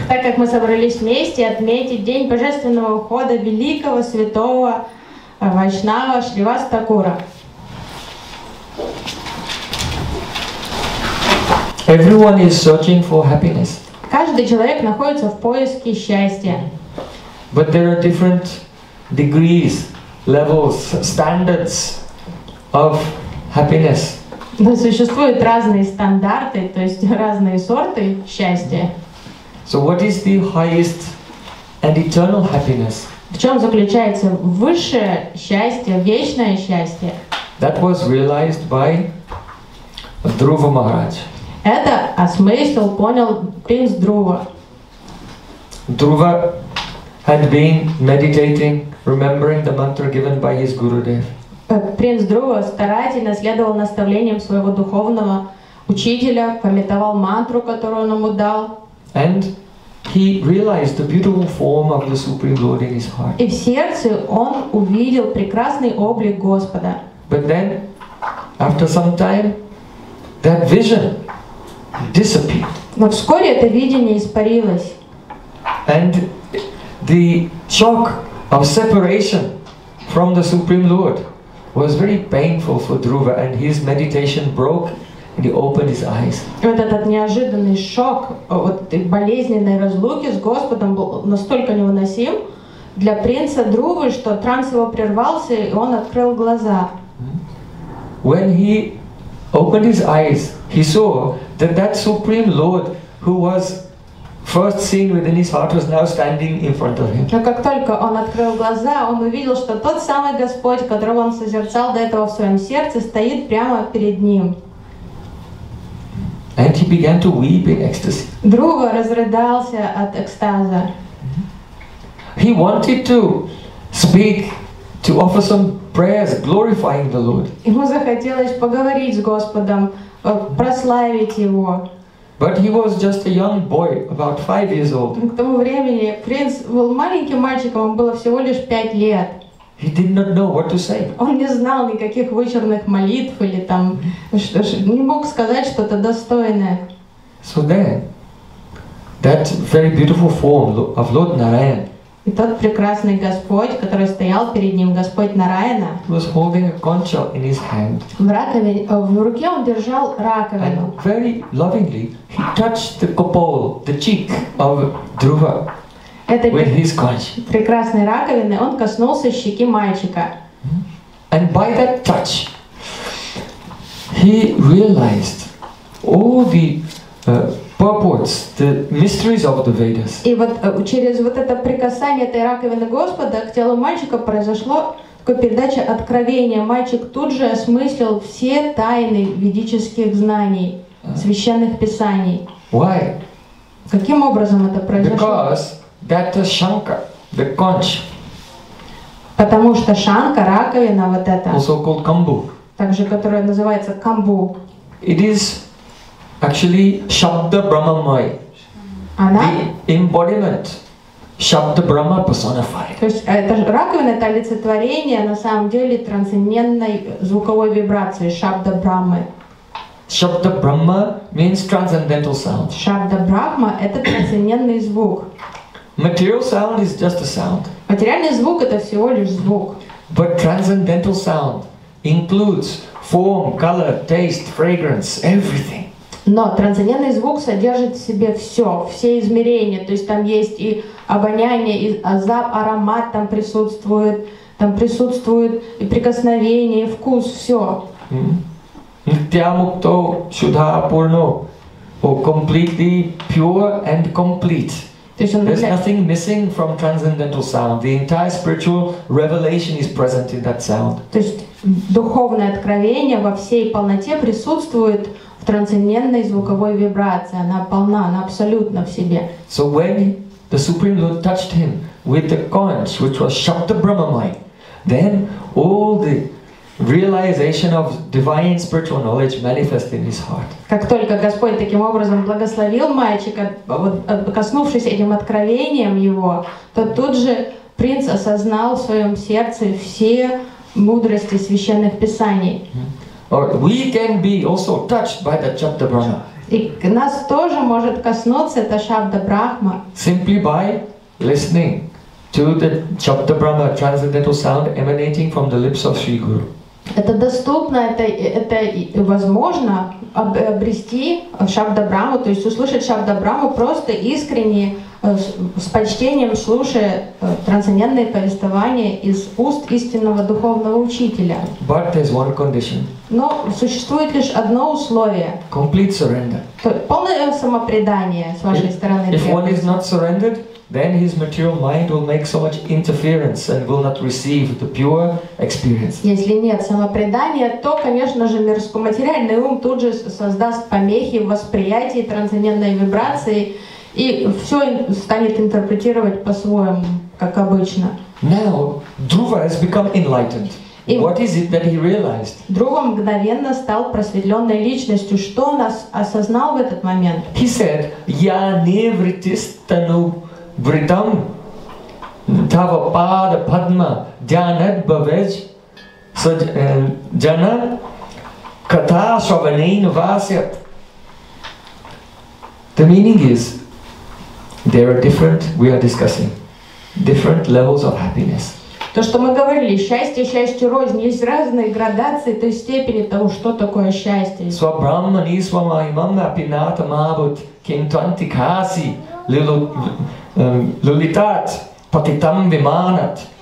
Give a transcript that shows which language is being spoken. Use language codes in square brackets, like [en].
[ru] Так как мы собрались вместе отметить день божественного ухода великого святого Вайшнава Шривас Такура. [en] Everyone is searching for happiness. [ru] Каждый человек находится в поиске счастья. [en] But there are different degrees, levels, standards of happiness. [ru] Но существуют разные стандарты, то есть разные сорты счастья. [en] So what is the highest and eternal happiness? [ru] В чем заключается высшее счастье, вечное счастье? [en] That was realized by Dhruva Maharaj. [ru] Это осмыслил, понял принц Друва. [en] Друва had been meditating, remembering the mantra given by his Gurudev. [ru] Принц Друва старательно следовал наставлениям своего духовного учителя, памятовал мантру, которую он ему дал. [en] And he realized the beautiful form of the Supreme Lord in his heart. [ru] И в сердце он увидел прекрасный облик Господа. [en] But then, after some time, that vision disappeared. [ru] Но вскоре это видение испарилось. [en] And the shock of separation from the Supreme Lord was very painful for Dhruva, and his meditation broke, and he opened his eyes. [ru] Вот этот неожиданный шок, вот болезненной разлуки с Господом был настолько невыносим для принца Друвы, что транс его прервался, и он открыл глаза. [en] When he opened his eyes, he saw that Supreme Lord, who was first seen within his heart, was now standing in front of him. [ru] Но как только он открыл глаза, он увидел, что тот самый Господь, которого он созерцал до этого в своем сердце, стоит прямо перед ним. [en] And he began to weep in ecstasy. [ru] Друга разрыдался от экстаза. [en] He wanted to speak, to offer some prayers, glorifying the Lord. [ru] Ему захотелось поговорить с Господом, прославить его. [en] But he was just a young boy, about 5 years old. [ru] К тому времени принц был маленьким мальчиком, ему было всего лишь 5 лет. [en] He did not know what to say. [ru] Он не знал никаких вычурных молитв или там, не мог сказать что-то достойное. [en] So then, that very beautiful form of Lord Narayan. [ru] И тот прекрасный Господь, который стоял перед ним, Господь Нараяна. [en] Was holding a concha in his hand. [ru] В руке он держал раковину. [en] And very lovingly he touched the kapal, the cheek of Dhruva. [ru] Это [en] with his conch. [ru] Прекрасной раковины он коснулся щеки мальчика. [en] And by that touch he realized all the purports, the mysteries of the Vedas. [ru] И вот через вот это прикасание этой раковины Господа к телу мальчика произошло такое передача откровения. Мальчик тут же осмыслил все тайны ведических знаний, священных писаний. [en] Why? [ru] Каким образом это произошло? [en] Because that shankha, the conch. [ru] Потому что шанка, раковина вот эта. [en] Also called камбу. [ru] Также, которая называется камбу. [en] It is actually Shabda Brahmamay, [ru] она? [en] The embodiment, Shabda Brahma personified. [ru] То есть это раковина, это олицетворение на самом деле трансцендентной звуковой вибрации Shabda Brahma. [en] Shabda Brahma means transcendental sound. [ru] Shabda Brahma это трансцендентный звук. [en] Material sound is just a sound. [ru] Материальный звук это всего лишь звук. [en] But transcendental sound includes form, color, taste, fragrance, everything. [ru] Но трансцендентный звук содержит в себе все, все измерения. То есть там есть и обоняние, и запах, аромат там присутствует. Там присутствует и прикосновение, и вкус, все. [sa] Нитямукто сюда пурно. [en] Completely pure and complete. There's nothing missing from transcendental sound. The entire spiritual revelation is present in that sound. [ru] То есть духовное откровение во всей полноте присутствует в трансцендентной звуковой вибрации, она полна, она абсолютно в себе. [en] So when the Supreme Lord touched him with the conch, which was Shabda Brahmamay, then all the realization of divine spiritual knowledge manifest in his heart. [ru] Как только Господь таким образом благословил мальчика, коснувшись этим откровением его, то тут же принц осознал в своем сердце все мудрости священных писаний. [en] Or we can be also touched by the Chapta Brahma. [ru] И нас тоже может коснуться эта Шабда Брахма. [en] Simply by listening to the Chapta Brahma transcendental sound emanating from the lips of Sri Guru. [ru] Это доступно, это возможно обрести Шабда Брахму, то есть услышать Шабда Брахму просто искренне, с почтением слушая трансцендентные повествования из уст истинного духовного учителя. [en] But there's one condition. [ru] Но существует лишь одно условие. [en] Complete surrender. [ru] Полное самопредание с вашей стороны. [en] If one is not surrendered, then his material mind will make so much interference and will not receive the pure experience. [ru] Если нет самопредания, то, конечно же, материальный ум тут же создаст помехи в восприятии трансцендентной вибрации и все станет интерпретировать по-своему, как обычно. [en] Now, Dhruva has become enlightened. И what is it that he realized? [ru] Друг мгновенно стал просветленной личностью. Что он осознал в этот момент? [en] He said, [sa] "Я не вритистану вритам тава пада падма джанад бавеж саджана ката шаванейн васят." [en] The meaning is, there are different, we are discussing, different levels of happiness. [ru] То, что мы говорили, счастье, счастье рознь, есть разные градации той степени того, что такое счастье. [sa] Свабрамма нисвама имам апината мабут кентанти каси лилитат патитам виманат.